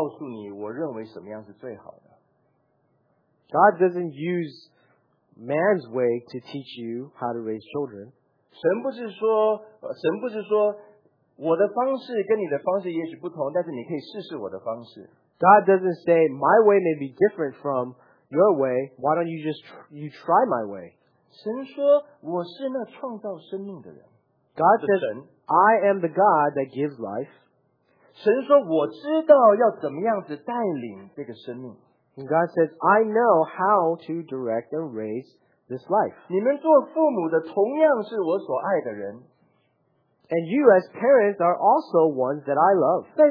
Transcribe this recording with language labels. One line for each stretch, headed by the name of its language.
Chinese: 神不是说我用人的层面告诉你我认为什么样是最好的。
English: God doesn't use man's way to teach you how to raise children.
Chinese: 神不是说我的方式跟你的方式也许不同，但是你可以试试我的方式。
English: God doesn't say my way may be different from your way. Why don't you just try my way?
Chinese: 神说我是那创造生命的人。
English: God says I am the God that gives life.
Chinese: 神说我知道要怎么样子带领这个生命。
English: And God says, I know how to direct and raise this life. And you as parents are also ones that I love.